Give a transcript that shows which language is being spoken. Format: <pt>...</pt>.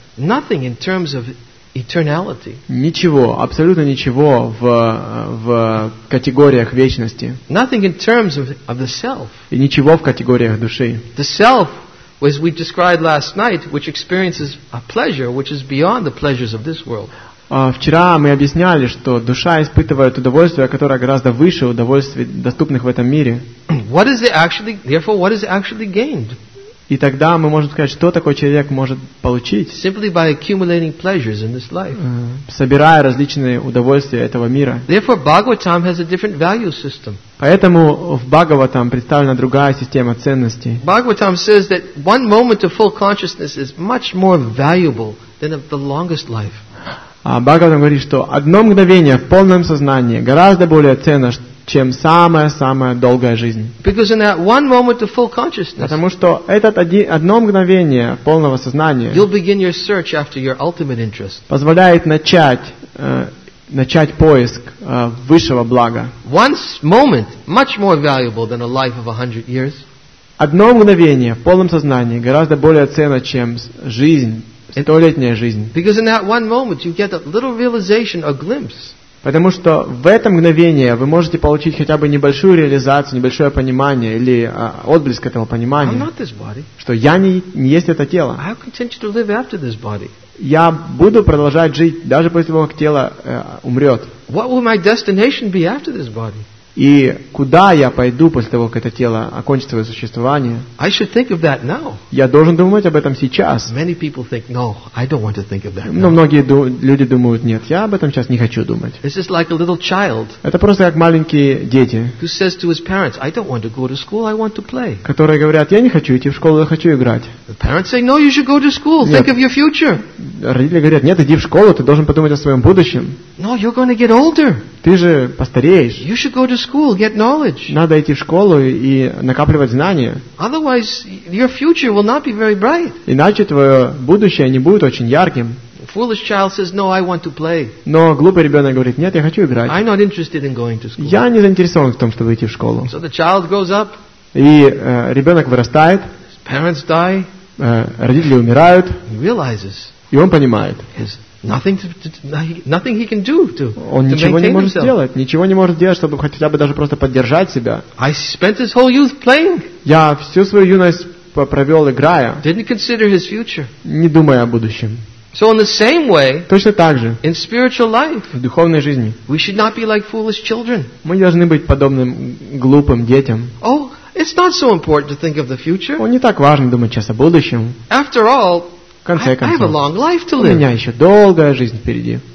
<en>Nothing in terms of eternality.</en> <ru>Ничего, абсолютно ничего в категориях вечности.</ru> <en>Nothing in terms of the self.</en> <ru>И ничего в категориях души.</ru> <en>The self, as we described last night, which experiences a pleasure which is beyond the pleasures of this world.</en> <ru>Вчера мы объясняли, что душа испытывает удовольствие, которое гораздо выше удовольствий, доступных в этом мире.</ru> <en>What is it actually, therefore, what is it actually gained?</en> <ru>И тогда мы можем сказать, что такой человек может получить.</ru> <en>Simply by accumulating pleasures in this life.</en> <ru>Собирая различные удовольствия этого мира.</ru> <en>Therefore, Bhagavatam has a different value system.</en> <ru>Поэтому в Бхагаватам представлена другая система ценностей.</ru> <en>Bhagavatam says that one moment of full consciousness is much more valuable than the longest life.</en> <ru>Бхагаватам говорит, что одно мгновение в полном сознании гораздо более ценно, чем самая-самая долгая жизнь.</ru> <en>Because in that one moment of full consciousness,</en> <ru>потому что это одно мгновение полного сознания,</ru> <en>you'll begin your search after your ultimate interest.</en> <ru>Позволяет начать поиск высшего блага.</ru> <en>One moment much more valuable than a life of 100 years.</en> <ru>Одно мгновение в полном сознании гораздо более ценно, чем жизнь. Столетняя жизнь.</ru> <en>Because in that one moment you get a little realization, a glimpse.</en> <ru>Потому что в это мгновение вы можете получить хотя бы небольшую реализацию, небольшое понимание или отблеск этого понимания.</ru> <en>I'm not this body.</en> <ru>Что я не есть это тело.</ru> <en>I'll continue to live after this body.</en> <ru>Я буду продолжать жить даже после того, как тело умрет.</ru> <en>What will my destination be after this body?</en> <ru>И куда я пойду после того, как это тело окончит свое существование?</ru> <en>I should think of that now.</en> <ru>Я должен думать об этом сейчас.</ru> <en>Many people think, no, I don't want to think of that.</en> <ru>Но многие люди думают, нет, я об этом сейчас не хочу думать.</ru> <en>This is like a little child.</en> <ru>Это просто как маленькие дети.</ru> <en>Who says to his parents, I don't want to go to school, I want to play.</en> <ru>Которые говорят, я не хочу идти в школу, я хочу играть.</ru> <en>The parents say, no, you should go to school, think of your future.</en> <ru>Родители говорят, нет, иди в школу, ты должен подумать о своем будущем.</ru> <en>No, you're going to get older.</en> <ru>Ты же постареешь.</ru> <en>You should go to school, get knowledge.</en> <ru>Надо идти в школу и накапливать знания.</ru> <en>Otherwise, your future will not be very bright.</en> <ru>Иначе твое будущее не будет очень ярким.</ru> <en>Foolish child says, "No, I want to play."</en> <ru>Но глупый ребенок говорит, нет, я хочу играть.</ru> <en>I'm not interested in going to school.</en> <ru>Я не заинтересован в том, чтобы идти в школу.</ru> <en>So the child grows up.</en> <ru>И ребенок вырастает.</ru> <en>His parents die.</en> <ru>Родители умирают.</ru> <en>He realizes.</en> <ru>И он понимает.</ru> <en>Nothing he can do to.</en> <ru>Он ничего не может</ru> <en>himself.</en> <ru>Сделать, ничего не может делать, чтобы хотя бы даже просто поддержать себя.</ru> <en>I spent his whole youth playing.</en> <ru>Я всю свою юность провел играя.</ru> <en>Didn't consider his future.</en> <ru>Не думая о будущем.</ru> <en>So in the same way,</en> <ru>точно так же,</ru> <en>in spiritual life,</en> <ru>в духовной жизни,</ru> <en>we should not be like foolish children.</en> <ru>Мы должны быть подобным глупым детям.</ru> <en>Oh, it's not so important to think of the future.</en> <ru>Не так важно думать сейчас о будущем.</ru> <en>After all,</en> <ru>в конце концов,</ru> <en>I have a long life to live.</en> <ru>У меня еще долгая жизнь впереди.</ru>